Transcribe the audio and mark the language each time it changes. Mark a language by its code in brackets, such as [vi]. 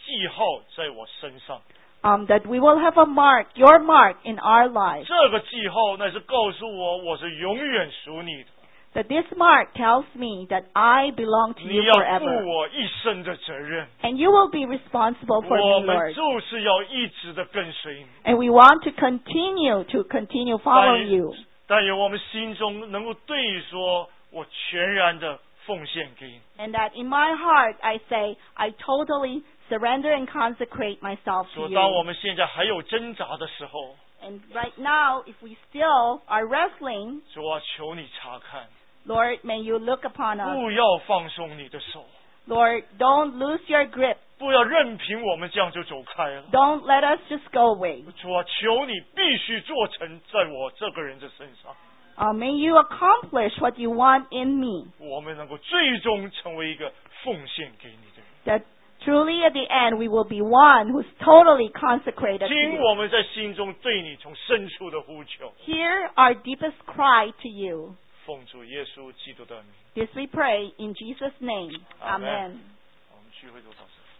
[zh] 我们盼望在我们身上有你的记号在我身上。 [en] That we will have a mark, your mark in our lives. [zh] 这个记号乃是告诉我我是永远属你的。 [en] That this mark tells me that I belong to you forever. [zh] 你要负我一生的责任。 [en] And you will be responsible for me, Lord. [zh] 我们就是要一直的跟随你。 [en] And we want to continue following you. [zh] 但愿我们心中能够对说，我全然的奉献给你。 [en] And that in my heart I say, I totally surrender and consecrate myself to you. [zh] 说当我们现在还有挣扎的时候。 [en] And right now, if we still are wrestling, [zh] 主啊，求你查看。 [en] Lord, may you look upon us. [zh] 不要放松你的手。 [en] Lord, don't lose your grip. [zh] 不要任凭我们这样就走开了。 [en] Don't let us just go away. [zh] 主啊，求你必须做成在我这个人的身上。 [en] May you accomplish what you want in me. [zh] 我们能够最终成为一个奉献给你的人。 [en] That truly at the end, we will be one who's totally consecrated to you. [zh] 听我们在心中对你从深处的呼求。 [en] Hear our deepest cry to you. [zh] 奉主耶稣基督的名。 [en] This we pray in Jesus' name. [zh] Amen. 我们聚会都到此。